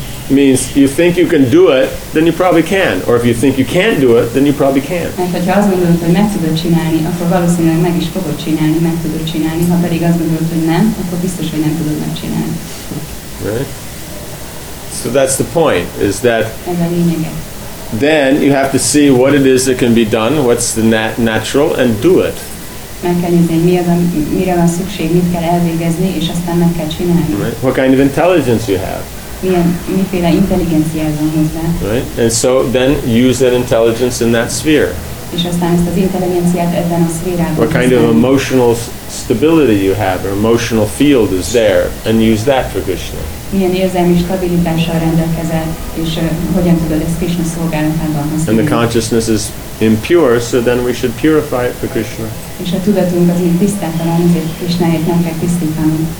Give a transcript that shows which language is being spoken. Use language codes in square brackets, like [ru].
[en] Means you think you can do it, then you probably can. Or if you think you can't do it, then you probably can. [hu] Mert ha azt gondolod, hogy meg tudod csinálni, akkor valószínűleg meg is fogod csinálni, meg tudod csinálni. Ha pedig azt gondolod, hogy nem, akkor biztos, hogy nem tudod megcsinálni. [en] Right? So that's the point, is that [hu] ez a lényege. [en] Then you have to see what it is that can be done, what's the natural, and do it. [hu] Meg kell nézni, mi az, mire van szükség, mit kell elvégezni, és aztán meg kell csinálni. [en] Right? What kind of intelligence you have. [hu] Miféle intelligenciával van hozzá. [en] Right? And so then use that intelligence in that sphere. [hu] És aztán ezt az intelligenciát ebben a szférában. [en] What kind of emotional stability you have, or emotional field is there, and use that for Krishna. [hu] Milyen érzelmi stabilitással rendelkezel, és hogyan tudod ezt Krishna szolgálatában használni. [en] And the consciousness is impure, so then we should purify it for Krishna. [hu] És a tudatunk az így tisztátalan, ezért Krishnáért nem kell tisztítani.